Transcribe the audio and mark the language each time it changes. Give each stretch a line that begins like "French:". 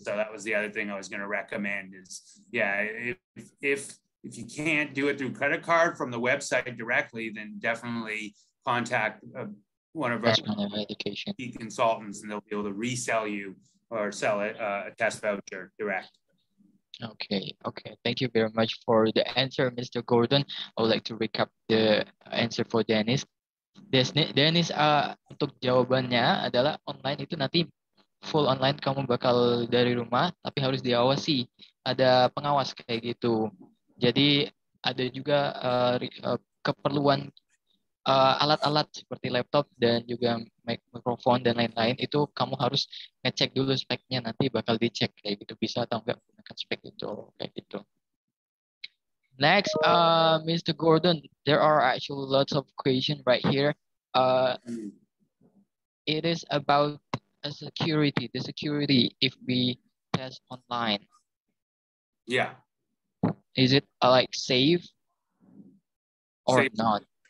English: So that was the other thing I was going to recommend is, yeah, if you can't do it through credit card from the website directly, then definitely contact one of Best our education. Key consultants and they'll be able to resell you or sell it, a test voucher direct. Okay. Thank you very much for the answer, Mr. Gordon. I would like to recap the answer for Dennis.
Indonesian: Dennis, untuk jawabannya adalah online itu nanti full online kamu bakal dari rumah, tapi harus diawasi, ada pengawas kayak gitu. Jadi ada juga keperluan alat-alat seperti laptop dan juga mikrofon dan lain-lain itu kamu harus ngecek dulu speknya, nanti bakal dicek kayak gitu bisa atau enggak menggunakan spek itu kayak gitu.
English: Next, Mr. Gordon, there are actually lots of questions right here. It is about the security if we test online. Yeah. Is it like safe or safe. Not?